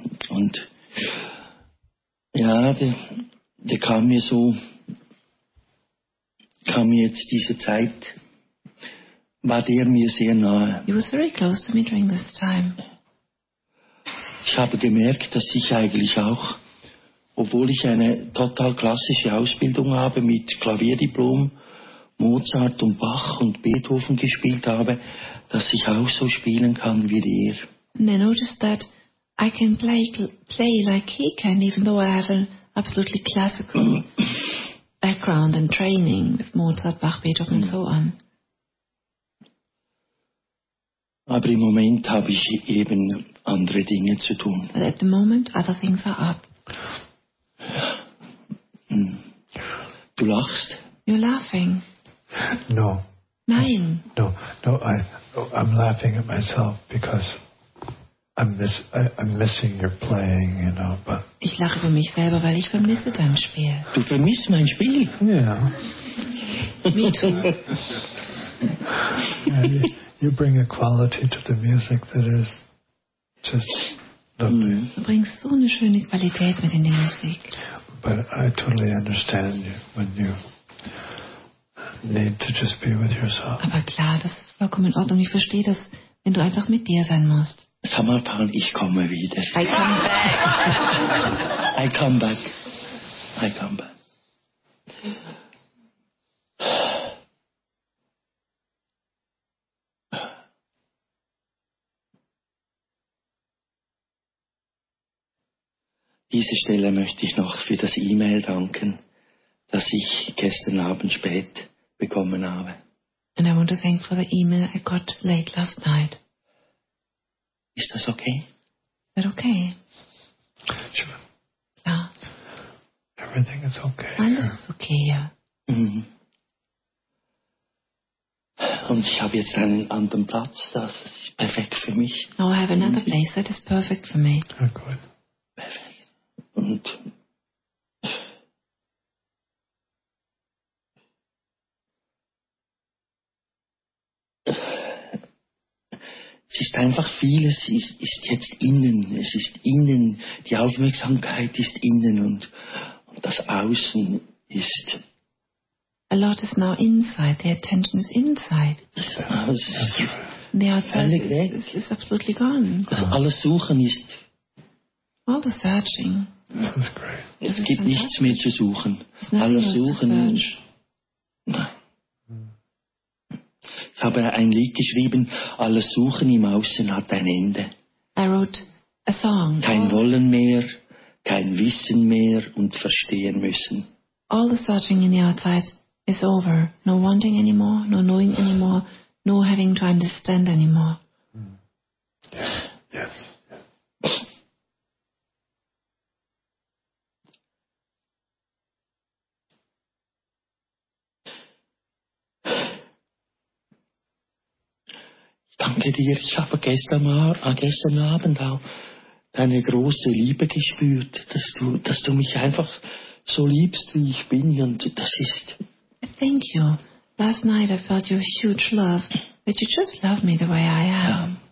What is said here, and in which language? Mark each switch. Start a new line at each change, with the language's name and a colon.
German: Und ja, der kam mir so, kam mir jetzt diese Zeit, war der mir sehr nahe.
English: He was very close to me during this time.
German: Ich habe gemerkt, dass ich eigentlich auch, obwohl ich eine total klassische Ausbildung habe mit Klavierdiplom, Mozart und Bach und Beethoven gespielt habe, dass ich auch so spielen kann wie der.
English: And I noticed that I can play like he can, even though I have an absolutely classical background and training with Mozart, Bach, Beethoven and so on.
German: Aber im Moment habe ich eben andere Dinge zu tun.
English: But at the moment, other things are up.
German: Du lachst?
English: You're laughing. No.
German: Nein.
English: I'm laughing at myself because I'm missing your playing, you know. But
German: ich lache für mich selber, weil ich vermisse dein Spiel. Du vermisst mein Spiel?
English: Yeah. Me too. You bring a quality to the music that is just lovely.
German: Du bringst so eine schöne Qualität mit in die Musik.
English: But I totally understand you when you need to just be with yourself.
German: Aber klar, das ist vollkommen in Ordnung. Ich verstehe das, wenn du einfach mit dir sein musst. Samarpan, ich komme wieder.
English: I come back. I come back.
German: Diese Stelle möchte ich noch für das E-Mail danken, das ich gestern Abend spät bekommen habe.
English: And I want to thank for the email I got late last night.
German: Ist das okay?
English: Is that okay? Sure.
German: Ja.
English: Everything is okay.
German: Alles ist okay, ja. Und ich habe jetzt einen anderen Platz, das ist perfekt für mich.
English: Now I have another place that is perfect for me. Okay.
German: Perfekt. Und es ist einfach vieles, ist jetzt innen. Es ist innen, die Aufmerksamkeit ist innen und das Außen ist.
English: A lot is now inside, the attention is inside. The outside is absolutely gone.
German: Das alles Suchen ist.
English: All the searching.
German: Es gibt nichts mehr zu suchen. Alles Suchen. Nein. Ich habe ein Lied geschrieben, alles Suchen im Außen hat ein Ende.
English: I wrote a song.
German: Kein Wollen mehr, kein Wissen mehr und Verstehen müssen.
English: All the searching in the outside is over. No wanting anymore, no knowing anymore, no having to understand anymore.
German: Danke dir, ich habe gestern Abend auch deine große Liebe gespürt, dass du mich einfach so liebst, wie ich bin, und das ist.
English: Thank you. Last night I felt your huge love, but you just love me the way I am.